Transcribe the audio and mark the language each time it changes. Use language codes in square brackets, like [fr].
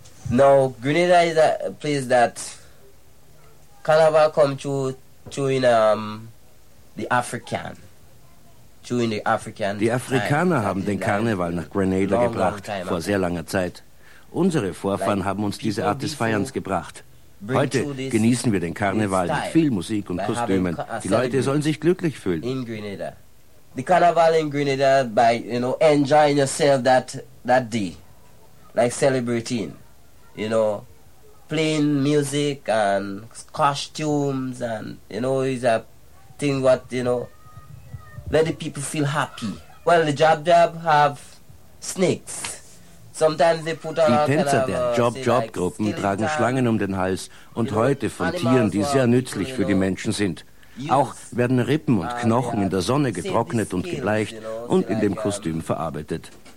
[en] Now, Grenada is a place that carnival comes through in the African. [de] Die Afrikaner haben den Karneval nach Grenada gebracht, vor sehr langer Zeit. Unsere Vorfahren haben uns diese Art des Feierns gebracht. Heute genießen wir den Karneval mit viel Musik und Kostümen. Die Leute sollen sich glücklich fühlen. In Grenada. [en] The carnival in Grenada by, you know, enjoying yourself that day. Like celebrating, you know, playing music and costumes and, you know, is a thing what, you know, let the people feel happy. Well, the Jab-Jab have snakes. [de] Die Tänzer der Job-Job-Gruppen tragen Schlangen um den Hals und Häute von Tieren, die sehr nützlich für die Menschen sind. Auch werden Rippen und Knochen in der Sonne getrocknet und gebleicht und in dem Kostüm verarbeitet.